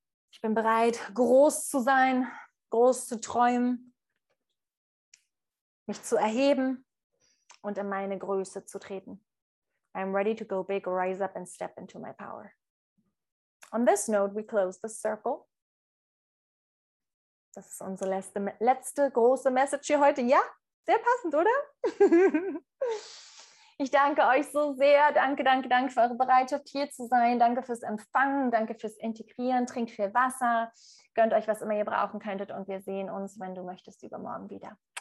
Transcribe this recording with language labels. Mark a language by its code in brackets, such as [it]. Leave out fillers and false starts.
[de] Ich bin bereit, groß zu sein, groß zu träumen, mich zu erheben und in meine Größe zu treten. [en] I am ready to go big, rise up and step into my power. On this note, we close the circle. [de] Das ist unsere letzte große Message hier heute. Ja, sehr passend, oder? Ich danke euch so sehr. Danke, danke, danke für eure Bereitschaft, hier zu sein. Danke fürs Empfangen. Danke fürs Integrieren. Trinkt viel Wasser. Gönnt euch, was immer ihr brauchen könntet. Und wir sehen uns, wenn du möchtest, übermorgen wieder.